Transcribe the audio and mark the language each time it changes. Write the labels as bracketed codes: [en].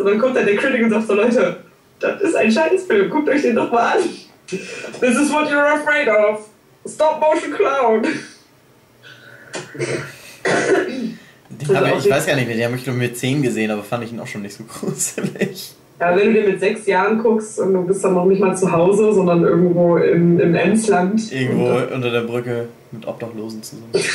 [de] Und dann kommt halt der Critic und sagt so, Leute, das ist ein Scheißfilm, guckt euch den doch mal an. [en] This is what you're afraid of. Stop motion clown. [de] Ich weiß gar nicht mehr, den habe ich nur mit 10 gesehen, aber fand ich ihn auch schon nicht so gruselig. Ja, wenn du dir mit 6 Jahren guckst und du bist dann noch nicht mal zu Hause, sondern irgendwo im Emsland. Irgendwo unter der Brücke mit Obdachlosen zusammen.